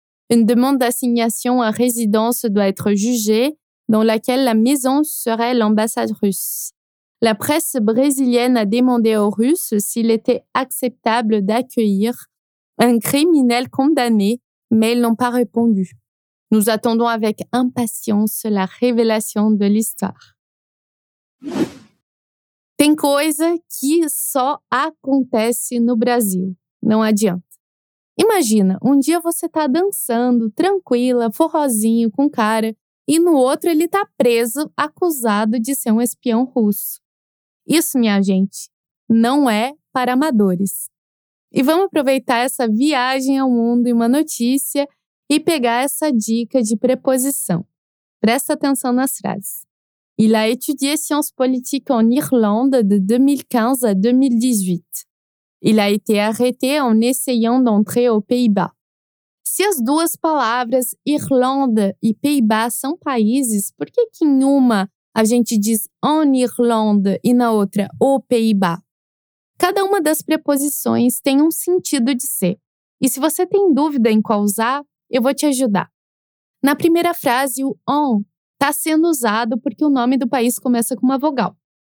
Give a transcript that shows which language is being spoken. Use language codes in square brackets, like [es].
[fr] Une demande d'assignation à résidence doit être jugée, dans laquelle la maison serait l'ambassade russe. La presse brésilienne a demandé aux Russes s'il était acceptable d'accueillir un criminel condamné, mais ils n'ont pas répondu. Nous attendons avec impatience la révélation de l'histoire. [pt] Tem coisa que só acontece no Brasil. Não adianta. Imagina, um dia você tá dançando, tranquila, forrozinho, com cara, e no outro ele tá preso, acusado de ser um espião russo. Isso, minha gente, não é para amadores. E vamos aproveitar essa viagem ao mundo e uma notícia e pegar essa dica de preposição. Presta atenção nas frases. [fr] Il a étudié sciences politiques en Irlande de 2015 à 2018. Il a été arrêté en essayant d'entrer aux Pays-Bas. [pt] Se as duas palavras, Irlanda e Pays-Bas, são países, por que que em uma a gente diz [fr] en Irlande [pt] e na outra o Pays-Bas? Cada uma das preposições tem um sentido de ser. E se você tem dúvida em qual usar, eu vou te ajudar. Na primeira frase, o en está sendo usado porque o nome do país começa com uma vogal.